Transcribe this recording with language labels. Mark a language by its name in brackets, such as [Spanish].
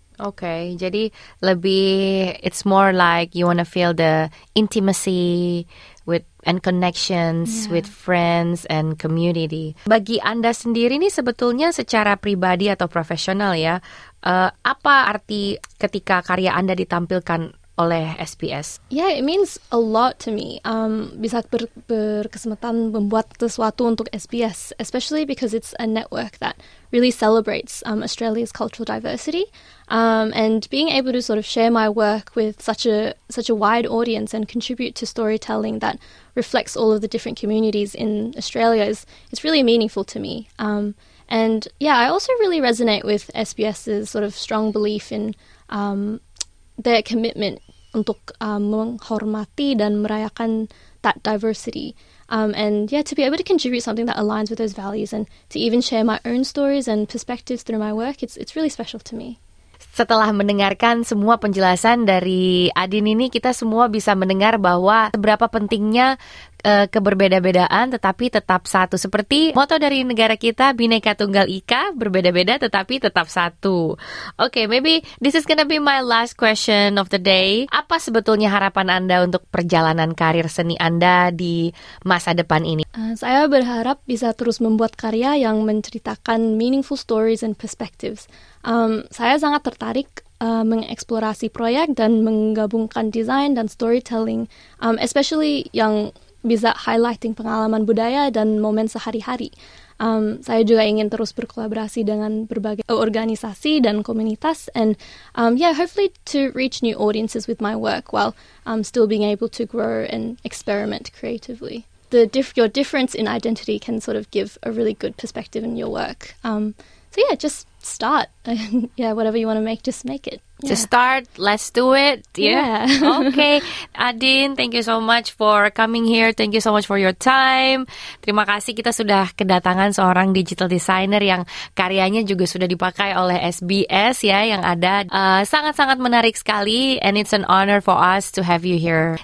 [English] Okay, [Indonesian] jadi lebih, [English] it's more like you want to feel the intimacy with and connections with friends and community. [Indonesian] Bagi Anda sendiri nih, sebetulnya secara pribadi atau profesional ya, apa arti ketika karya Anda ditampilkan oleh SBS? [English] Yeah, it means a lot to me. [Indonesian] Bisa berkesempatan membuat sesuatu untuk SBS, [English] especially because it's a network that really celebrates Australia's cultural diversity. And being able to sort of share my work with such a wide audience and contribute to storytelling that reflects all of the different communities in Australia is really meaningful to me. And yeah, I also really resonate with SBS's sort of strong belief in their commitment [Indonesian] untuk menghormati dan merayakan [English] that diversity. To be able to contribute something that aligns with those values and to even share my own stories and perspectives through my work, it's really special to me. [Indonesian] Setelah mendengarkan semua penjelasan dari Adin ini, kita semua bisa mendengar bahwa seberapa pentingnya keberbeda-bedaan tetapi tetap satu. Seperti moto dari negara kita, Bhinneka Tunggal Ika, berbeda-beda tetapi tetap satu. [English] Okay, maybe this is gonna be my last question of the day. [Indonesian] Apa sebetulnya harapan Anda untuk perjalanan karir seni Anda di masa depan ini? Saya berharap bisa terus membuat karya yang menceritakan [English] meaningful stories and perspectives. [Indonesian] Saya sangat tertarik mengeksplorasi proyek dan menggabungkan desain dan storytelling, [English] especially [Indonesian] yang bisa [English] highlighting [Indonesian] pengalaman budaya dan momen sehari-hari. Saya juga ingin terus berkolaborasi dengan berbagai organisasi dan komunitas, [English] and hopefully to reach new audiences with my work while still being able to grow and experiment creatively. Your difference in identity can sort of give a really good perspective in your work. Just start. Yeah, whatever you want to make, just make it. Yeah. Just start. Let's do it. Yeah. Okay. Adin, thank you so much for coming here. Thank you so much for your time. [Indonesian] Terima kasih kita sudah kedatangan seorang digital designer yang karyanya juga sudah dipakai oleh SBS ya, yang ada. Sangat-sangat menarik sekali. [English] And it's an honor for us to have you here.